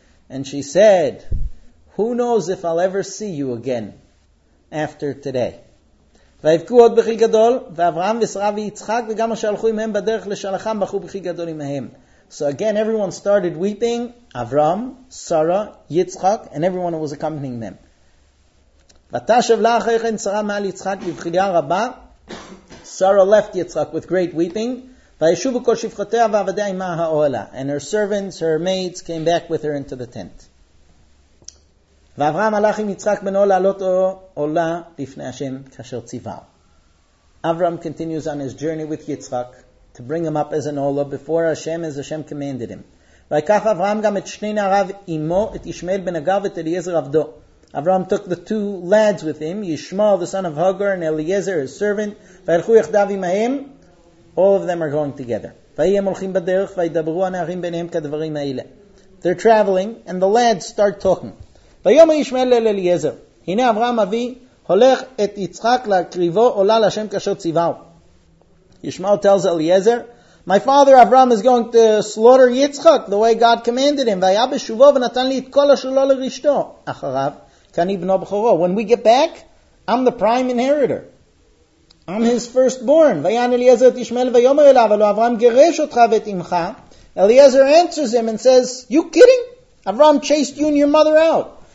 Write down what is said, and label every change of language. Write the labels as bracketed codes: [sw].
[en] And she said, who knows if I'll ever see you again after today. [he] ויבכו עוד בכי גדול, ואברהם ושרה ויצחק, וגם אשר הלכו עמהם בדרך לשלחם, בכו בכי גדול עמהם. [en] So again, everyone started weeping, Avram, Sarah, Yitzchak, and everyone who was accompanying them. [he] ותשב לה אחרי כן שרה מעל יצחק, בבכייה רבה, [en] Sarah left Yitzchak with great weeping, [he] וישוב בכל שפחותיה ועבדיה עמה האוהלה. [en] And her servants, her maids, came back with her into the tent. [he] ואברהם הלך עם יצחק בנו לעלות עולה לפני השם כאשר ציווהו. [en] Avram continues on his journey with Yitzchak to bring him up as an olah before Hashem as Hashem commanded him. [he] ויקח אברהם גם את שני נעריו עמו, את ישמעאל בן הגר ואת אליעזר עבדו. [en] Avram took the two lads with him, Yishmael the son of Hagar and Eliezer his servant, [he] והלכו יחדיו עמהם. [en] All of them are going together. [he] ויהי הם הולכים בדרך וידברו הנערים ביניהם כדברים האלה. [en] They're traveling and the lads start talking. [he] ויאמר ישמעאל אל אליעזר, הנה אברהם אבי הולך את יצחק להקריבו עולה לשם כאשר ציווהו. [en] ישמעאל tells אליעזר, my father Avram is going to slaughter Yitzchak the way God commanded him, [he] והיה בשובו ונתן לי את כל אשר לו לרשתו אחריו, כי אני בנו בכורו. [en] When we get back, I'm the prime inheritor. I'm his firstborn. [he] ויען אליעזר את ישמעאל ויאמר אליו, הלא אברהם גירש אותך ואת אמך. [en] אליעזר answers him and says, you kidding? Avram chased you and your mother out.